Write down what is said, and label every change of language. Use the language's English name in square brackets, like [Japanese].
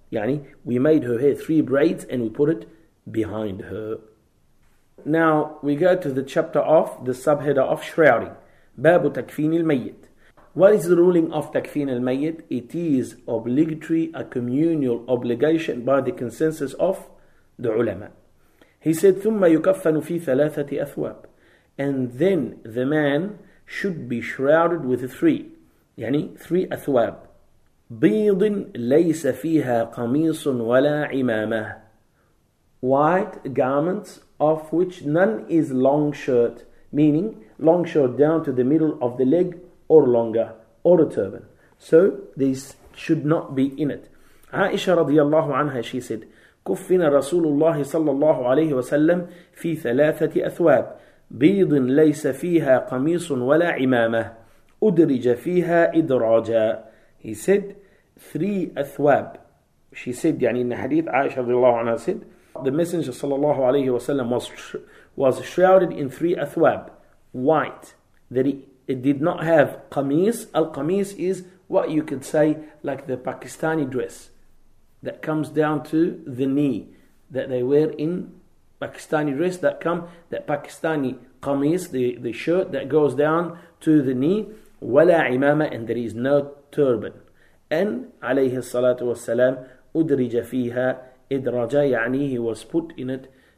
[English] يعني we made her hair three braids and we put it behind her. Now we go to the chapter of the subheader of shrouding. [Arabic] باب تكفين الميت. [English] What is the ruling of [Arabic] تكفين الميت? [English] It is obligatory, a communal obligation by the consensus of the ulama. He said [Arabic] ثم يكفن في ثلاثة أثواب. [English] And then the man should be shrouded with three. [Arabic] يعني [English] three [Arabic] أثواب. بيض ليس فيها قميص ولا عمامة. [English] White garments of which none is long shirt. Meaning long shirt down to the middle of the leg or longer. Or a turban. So this should not be in it. [Arabic] عائشة رضي الله عنها, [English] she said, [Arabic] كفن رسول الله صلى الله عليه وسلم في ثلاثة أثواب. بيض ليس فيها قميص ولا عمامة أدرج فيها إدراجا. [English] He said three أثواب. She said, [Arabic] يعني إن حديث عائشة رضي الله عنها [English] said, the messenger صلى الله عليه وسلم was shrouded in three أثواب, white, that it did not have قميص. القميص is what you could say like the Pakistani dress that comes down to the knee that they wear in Pakistani dress that come, that Pakistani qamis, the shirt that goes down to the knee, [Arabic] ولا عمامة, [English] and there is no turban. [Arabic] And عليه الصلاة والسلام أدرج فيها إدراجا, يعني [English] he was put in it.